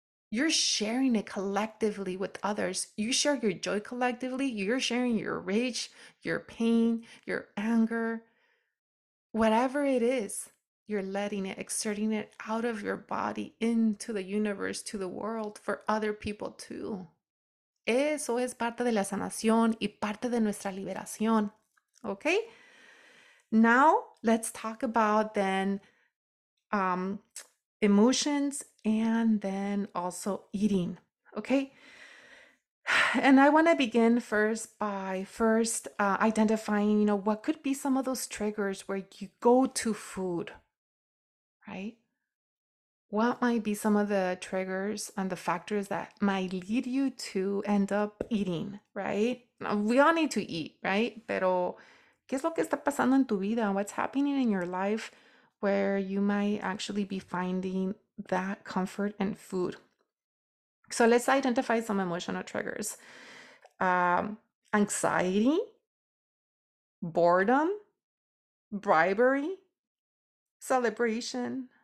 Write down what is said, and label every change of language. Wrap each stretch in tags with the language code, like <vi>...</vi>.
<en>You're sharing it collectively with others. You share your joy collectively. You're sharing your rage, your pain, your anger, whatever it is, you're letting it, exerting it out of your body into the universe, to the world, for other people too.</en> <es>Eso es parte de la sanación y parte de nuestra liberación.</es> <en>Okay? Now let's talk about then emotions and then also eating. Okay? And I want to begin first by identifying, what could be some of those triggers where you go to food, right? What might be some of the triggers and the factors that might lead you to end up eating, right? We all need to eat, right?</en> <es>Pero, ¿qué es lo que está pasando en tu vida?</es> <en>What's happening in your life where you might actually be finding that comfort in food? So let's identify some emotional triggers. Anxiety, boredom, bribery, celebration.</en>